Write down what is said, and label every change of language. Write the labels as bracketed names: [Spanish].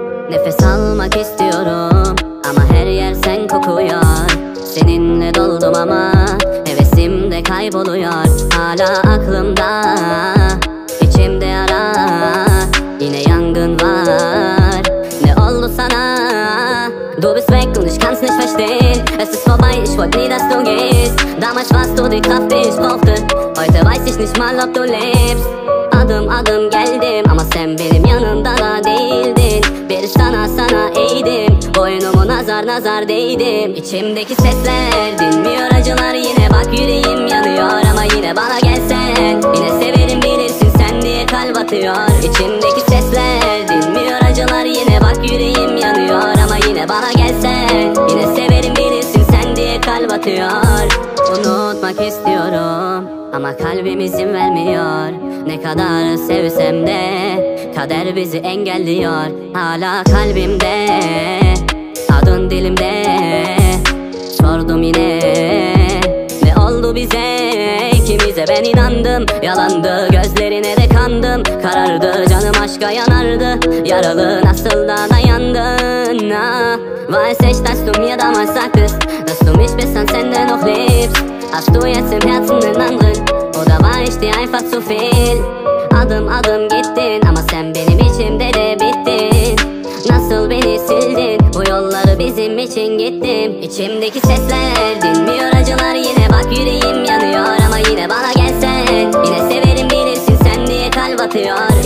[Turkish] Nefes almak istiyorum ama her yer sen kokuyor. Seninle doldum ama hevesim de kayboluyor. Hala aklımda, içimde yara, yine yangın var. Ne oldu sana? [German] Du bist weg und ich kann's nicht verstehen. Es ist vorbei, ich wollte nie, dass du gehst. Damals warst du die Kraft, die ich brauchte. Heute weiß ich nicht mal, ob du lebst. [Turkish] Adım adım geldim ama sen benim yanımda da değildin. Bir sana sana eğdim, boynumu nazar nazar değdim. İçimdeki sesler dinmiyor, acılar yine. Bak yüreğim yanıyor ama yine bana gelsen, yine severim bilirsin sen diye kalp atıyor. İçimdeki sesler dinmiyor, acılar yine. Bak yüreğim yanıyor ama yine bana gelsen, yine severim bilirsin sen diye kalp atıyor. Unutmak istiyorum ama kalbim izin vermiyor. Ne kadar sevsem de kader bizi engelliyor. Hala kalbimde, adın dilimde. Sordum yine, ne oldu bize, ikimize? Ben inandım, yalandı. Gözlerine de kandım, karardı. Canım aşka yanardı, yaralı. Nasıl da dayandın? [German] Was ich das du mir damals sagtest, dass du mich bis ans Ende noch liebst. Hast du jetzt im Herzen einen anderen? Oder war ich dir einfach zu viel? [Turkish] Adım adım gittin ama sen benim içimde de bittin. Nasıl beni sildin? Bu yolları bizim için gittim. İçimdeki sesler dinmiyor, acılar yine. Bak yüreğim yanıyor ama yine bana gelsen, yine severim bilirsin sen diye kalp atıyor.